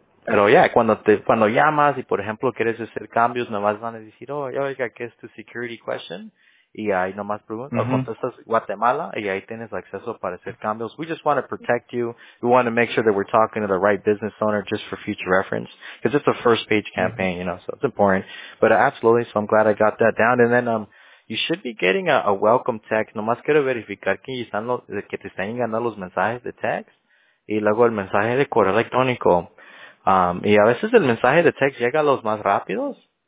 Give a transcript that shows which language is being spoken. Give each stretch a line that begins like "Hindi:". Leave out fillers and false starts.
Spanish: Pero ya, cuando llamas y por ejemplo quieres hacer cambios, nomás van a decir, oiga, ¿qué es tu security question? Y ahí nomás preguntas, contestas Guatemala, y ahí tienes acceso para hacer cambios.
English: We just want to protect you. We want to make sure that we're talking to the right business owner just for future reference. Because it's a first page campaign, so it's important. But absolutely, so I'm glad I got that down. And then you should be getting a welcome text.
Spanish: Nomás quiero verificar que te están llegando los mensajes de text. Y luego el mensaje de correo electrónico. Y a veces el mensaje de text llega a los más rápidos.